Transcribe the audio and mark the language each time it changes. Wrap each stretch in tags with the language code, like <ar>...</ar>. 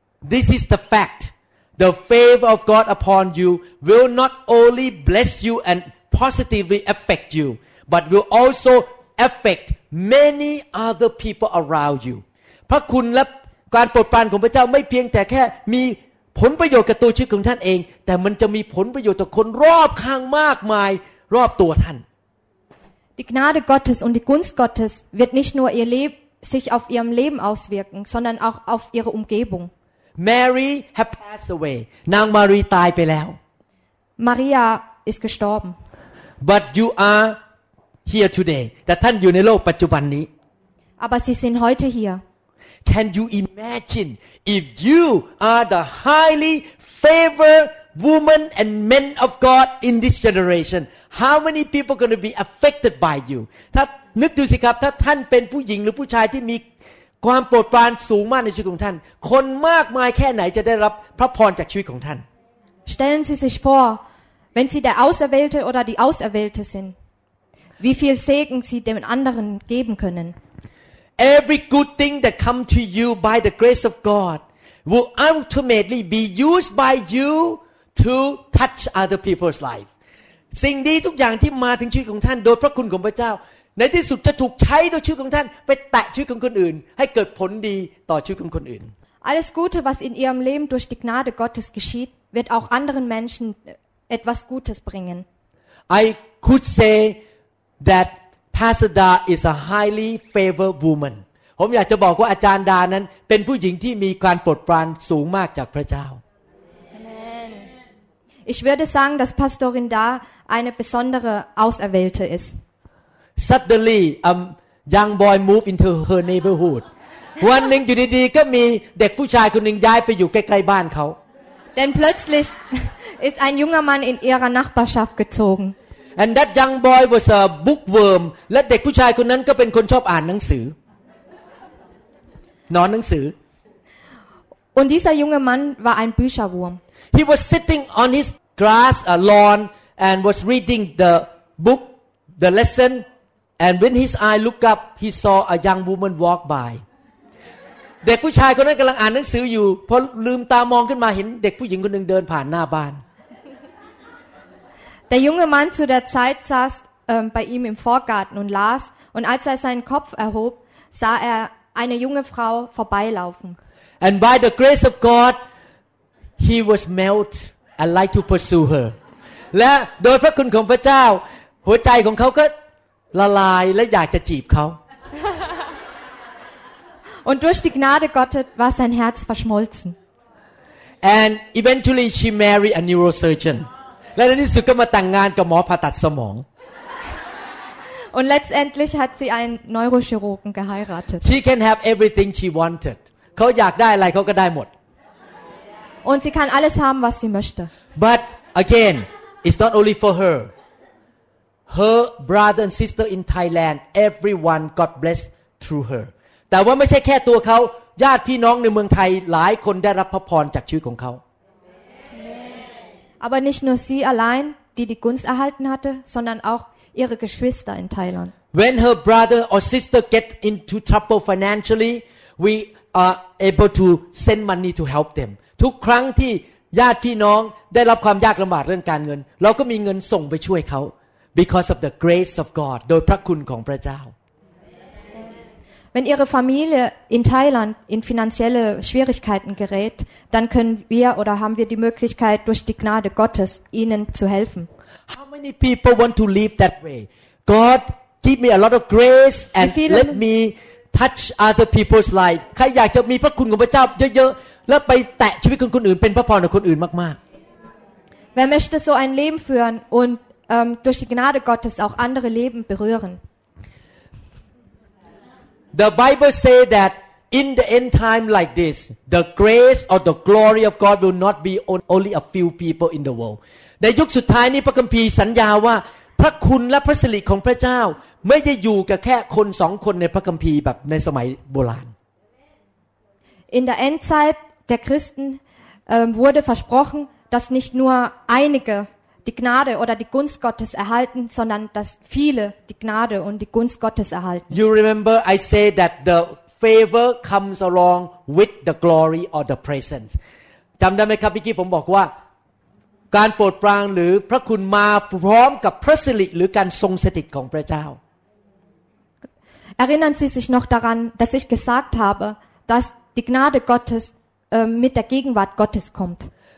<en>This is the fact. The favor of God upon you will not only bless you and positively affect you,But will also affect many other people around you.</en> <th>พระคุณและการโปรดปรานของพระเจ้าไม่เพียงแต่แค่มีผลประโยชน์กับตัวชีวิตของท่านเองแต่มันจะมีผลประโยชน์ต่อคนรอบข้างมากมายรอบตัวท่าน</th> <de>Die Gnade Gottes und die Gunst Gottes wird nicht nur ihr Leben sich auf ihrem Leben auswirken, sondern auch auf ihre Umgebung.</de> <en>Mary has passed away.</en> <th>นางมารีตายไปแล้ว</th> <de>Maria ist gestorben.</de> <en>But you areHere today,</en> <th>แต่ท่านอยู่ในโลกปัจจุบันนี้</th> <de>Aber Sie sind heute hier.</de> <en>Can you imagine if you are the highly favored women and men of God in this generation, how many people are going to be affected by you?</en> <th>ถ้านึกดูสิครับถ้าท่านเป็นผู้หญิงหรือผู้ชายที่มีความโปรดปรานสูงมากในชีวิตของท่านคนมากมายแค่ไหนจะได้รับพระพรจากชีวิตของท่าน</th> <de>Stellen Sie sich vor, wenn Sie der Auserwählte oder die Auserwählte sind, wie viel Segen Sie dem anderen geben können.</de> <en>Every good thing that come to you by the grace of God will ultimately be used by you to touch other people's life.</en> <th>สิ่งดีทุกอย่างที่มาถึงชีวิตของท่านโดยพระคุณของพระเจ้าในที่สุดจะถูกใช้ด้วยชีวิตของท่านไปแตะชีวิตของคนอื่นให้เกิดผลดีต่อชีวิตของคนอื่น</th> <de>Alles Gute, was in Ihrem Leben durch die Gnade Gottes geschieht, wird auch anderen Menschen etwas Gutes bringen.</de> <en>I could say that Pastor Da is a highly favored woman.</en> <th>ผมอยากจะบอกว่าอาจารย์ดานั้นเป็นผู้หญิงที่มีการโปรดปรานสูงมากจากพระเจ้า</th> <en>Amen.</en> <de>Ich würde sagen, dass Pastorin Da eine besondere Auserwählte ist.</de> <en>Suddenly, a young boy moved into her neighborhood. One day, you see, there is a young boy who moved into her neighborhood.</en> <de>Then, plötzlich, ist ein junger Mann in ihrer Nachbarschaft gezogen.</de> <en>And that young boy was a bookworm. And the young boy was a bookworm. And the young boy was a bookworm.</en> <de>Und dieser junge Mann war ein Bücherwurm.</de> <en>He was sitting on his grass, a lawn, and was reading the book, the lesson. And when his eye looked up, he saw a young woman walk by.</en> <th>เด็กผู้ชายคนนั้นกำลังอ่านหนังสืออยู่พอลืมตามองขึ้นมาเห็นเด็กผู้หญิงคนนึงเดินผ่านหน้าบ้าน</th> <de>Der junge Mann zu der Zeit saß bei ihm im Vorgarten und las. Und als er seinen Kopf erhob, sah er eine junge Frau vorbeilaufen.</de> <en>And by the grace of God, he was melted and liked to pursue her.</en> <th>และโดยพระคุณของพระเจ้าหัวใจของเขาก็ละลายและอยากจะจีบเขา</th> <de>Und durch die Gnade Gottes war sein Herz verschmolzen.</de> <en>And eventually she married a neurosurgeon.</en> <th>และในที่สุดก็มาแต่งงานกับหมอผ่าตัดสมอง</th> <de>Und letztendlich hat sie einen Neurochirurgen geheiratet.</de> <en>She can have everything she wanted.</en> <th>เขาอยากได้อะไรเขาก็ได้หมด</th> <de>Und sie kann alles haben, was sie möchte.</de> <en>But again, it's not only for her. Her brother and sister in Thailand, everyone got blessed through her.</en> <th>แต่ว่าไม่ใช่แค่ตัวเขาญาติพี่น้องในเมืองไทยหลายคนได้รับพระพรจากชีวิตของเขา</th> <de>Aber nicht nur sie allein, die die Gunst erhalten hatte, sondern auch ihre Geschwister in Thailand.</de> <en>When her brother or sister get into trouble financially, we are able to send money to help them.</en> <th>ทุกครั้งที่ญาติพี่น้องได้รับความยากลำบากเรื่องการเงินเราก็มีเงินส่งไปช่วยเขา</th> <en>Because of the grace of God,</en> <th>โดยพระคุณของพระเจ้า</th> <de>Wenn Ihre Familie in Thailand in finanzielle Schwierigkeiten gerät, dann können wir oder haben wir die Möglichkeit durch die Gnade Gottes Ihnen zu helfen.</de> <en>How many people want to live that way? God, give me a lot of grace and let me touch other people's life.</en> <th>ใครอยากจะมีพระคุณของพระเจ้าเยอะๆแล้วไปแตะชีวิตของคนอื่นเป็นพระพรของคนอื่นมาก</th> <de>ๆ Wer möchte so ein Leben führen undDurch die Gnade Gottes auch andere Leben berühren.</de> <en>The Bible says that in the end time like this, the grace or the glory of God will not be only a few people in the world.</en> <th>ในยุคสุดท้ายนี้พระคัมภีร์สัญญาว่าพระคุณและพระสิริของพระเจ้าไม่ได้อยู่กับแค่คนสองคนในพระคัมภีร์แบบในสมัยโบราณ</th> <de>In der Endzeit der Christen wurde versprochen, dass nicht nur einigeDie Gnade oder die Gunst Gottes erhalten, sondern dass viele die Gnade und die Gunst Gottes erhalten.</de> <en>You remember I say that the favor comes along with the glory or the presence.</en> <th>จำได้ไหมครับพี่กี้ผมบอกว่าการโปรดปรานหรือพระคุณมาพร้อมกับพระสิริหรือการทรงสถิตของพระเจ้า</th> <de>Erinnern Sie sich noch daran, dass ich gesagt habe, dass die Gnade Gottes mit der Gegenwart Gottes kommt.</de>